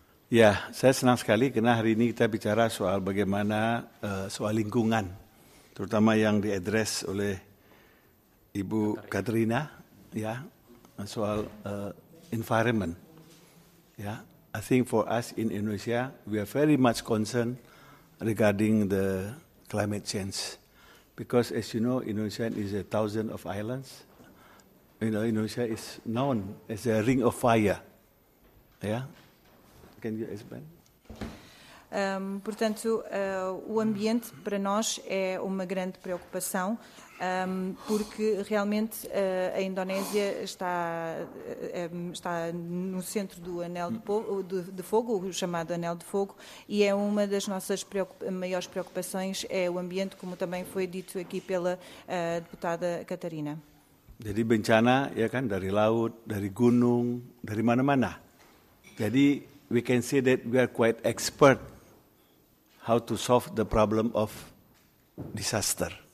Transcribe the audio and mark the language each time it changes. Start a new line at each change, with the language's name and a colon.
Indonesian: Ya, saya senang sekali karena hari ini kita bicara soal bagaimana soal lingkungan, terutama yang diadres oleh Ibu Katrina, ya, soal environment.
English: Ya, I think for us in Indonesia we are very much concerned regarding the climate change, because as you know Indonesia is a thousand of islands. You know, Indonesia is known as a ring of fire. Yeah? Can you explain?
Portuguese: Portanto, o ambiente para nós é uma grande preocupação, porque realmente a Indonésia está no centro do anel de fogo, o chamado anel de fogo, e é uma das nossas maiores preocupações é o ambiente, como também foi dito aqui pela deputada Catarina.
Indonesian: Jadi bencana ya kan dari laut, dari gunung, dari mana-mana.
English: Jadi we can say that we are quite expert how to solve the problem of disaster.